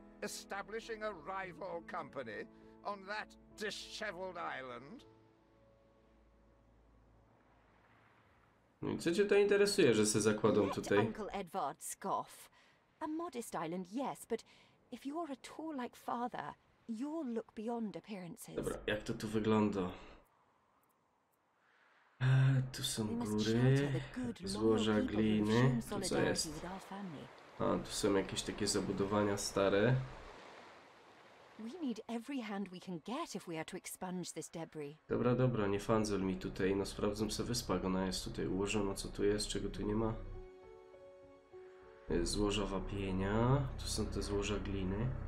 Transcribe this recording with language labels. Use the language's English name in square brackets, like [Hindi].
[English] Establishing a rival company on that disheveled island? [Polish] No i co cię to interesuje, że se zakładą tutaj? [English] Let Uncle Edward scoff. A modest island, yes, but if you're at all like father, you'll look beyond appearances. [Polish] Dobra, jak to tu wygląda? Tu są góry, złoża gliny, tu co jest? A, tu są jakieś takie zabudowania stare. [English] We need every hand we can get if we are to expunge this debris. [Polish] Dobra, dobra, nie fandzel mi tutaj, no sprawdzam se wyspa, ona jest tutaj ułożona, co tu jest, czego tu nie ma. Złoża wapienia, tu są te złoża gliny.